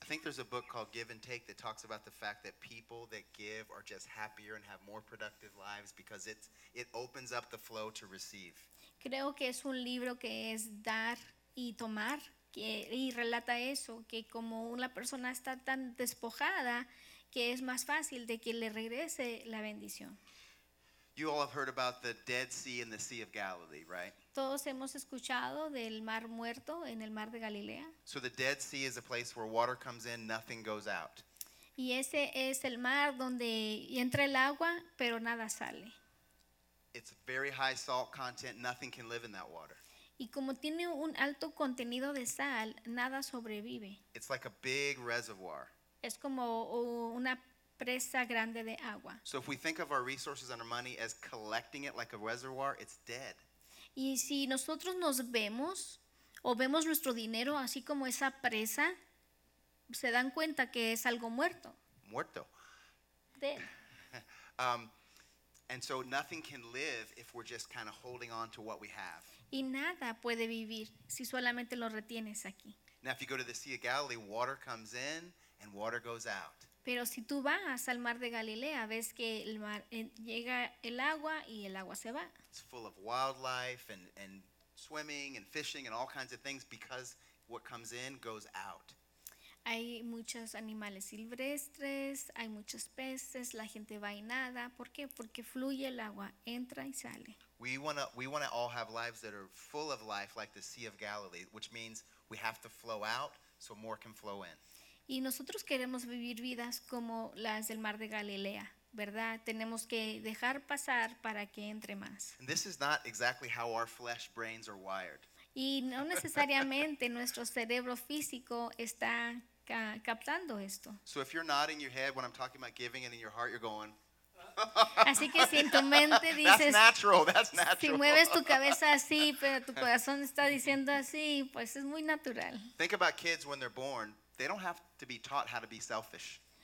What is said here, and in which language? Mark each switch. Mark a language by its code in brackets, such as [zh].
[en] I think there's a book called Give and Take that talks about the fact that people that give are just happier and have more productive lives because it opens up the flow to receive. [es] Creo que es un libro que es dar y tomar. Y relata eso, que como una persona está tan despojada, que es más fácil de que le regrese la bendición. [en] You all have heard about the Dead Sea and the Sea of Galilee, right? [es] Todos hemos escuchado del Mar Muerto en el Mar de Galilea. [en] So the Dead Sea is a place where water comes in, nothing goes out. [es] Y ese es el mar donde entra el agua, pero nada sale. [en] It's very high salt content, nothing can live in that water. [es] Y como tiene un alto contenido de sal, nada sobrevive. [en] It's like a big reservoir. [es] Es como una presa grande de agua. [en] So if we think of our resources and our money as collecting it like a reservoir, it's dead. [es] Y si nosotros nos vemos o vemos nuestro dinero así como esa presa, se dan cuenta que es algo muerto. Muerto. [en] Dead. And so nothing can live if we're just kind of holding on to what we have. [es] Y nada puede vivir si solamente lo retienes aquí. [en] Now if you go to the Sea of Galilee, water comes in and water goes out. [es] Pero si tú vas al Mar de Galilea, ves que el mar llega el agua y el agua se va. [en] It's full of wildlife and swimming and fishing and all kinds of things because what comes in goes out. [es] Hay muchos animales silvestres, hay muchos peces, la gente va y nada. ¿Por qué? Porque fluye el agua, entra y sale. [en] We want to all have lives that are full of life like the Sea of Galilee, which means we have to flow out so more can flow in. [es] Y nosotros queremos vivir vidas como las del Mar de Galilea, ¿verdad? Tenemos que dejar pasar para que entre más. [en] And this is not exactly how our flesh brains are wired. [es] Y no necesariamente nuestro cerebro físico está captando esto. [en] So if you're nodding your head when I'm talking about giving and in your heart you're going. [es] Así que si en tu mente dices. [en] That's natural. [es] Si mueves tu cabeza así, pero tu corazón está diciendo así, pues es muy natural. [en] Think about kids when they're born. They don't have to be taught how to be selfish.